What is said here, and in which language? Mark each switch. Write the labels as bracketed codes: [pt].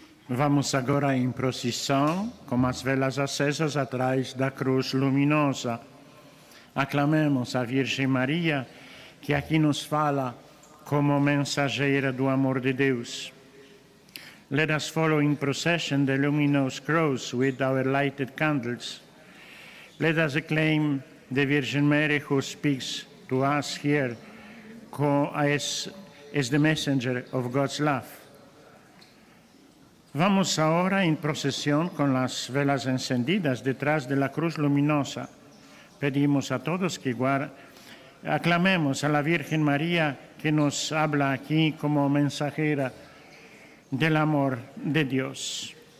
[pt] Vamos agora em procissão, com as velas acesas atrás da cruz luminosa. Aclamemos a Virgem Maria, que aqui nos fala como mensageira do amor de Deus. [en] Let us follow in procession the luminous cross with our lighted candles. Let us acclaim the Virgin Mary who speaks to us here as the messenger of God's love. [es] Vamos ahora en procesión con las velas encendidas detrás de la cruz luminosa. Pedimos a todos que aclamemos a la Virgen María que nos habla aquí como mensajera del amor de Dios.